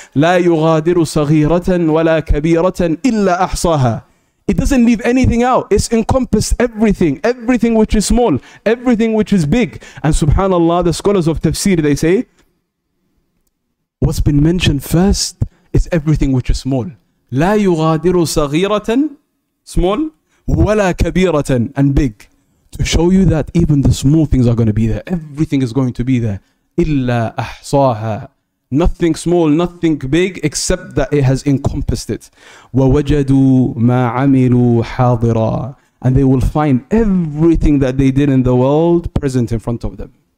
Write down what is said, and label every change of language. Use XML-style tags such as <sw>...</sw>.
<ar>لَا يُغَادِرُ صَغِيرَةً وَلَا كَبِيرَةً إِلَّا أَحْصَاهَا.</ar> <en>It doesn't leave anything out. It's encompassed everything. Everything which is small. Everything which is big. And subhanAllah, the scholars of tafsir, they say, what's been mentioned first is everything which is small.</en> <ar>لا يغادر صغيرة,</ar> <en>small,</en> <ar>ولا كبيرة,</ar> <en>and big. To show you that even the small things are going to be there. Everything is going to be there.</en> <ar>إلا أحصاها.</ar> <en>Nothing small, nothing big, except that it has encompassed it.</en> <ar>وَوَجَدُوا مَا عَمِلُوا حَاضِرًا.</ar> <en>and they will find everything that they did in the world present in front of them.</en>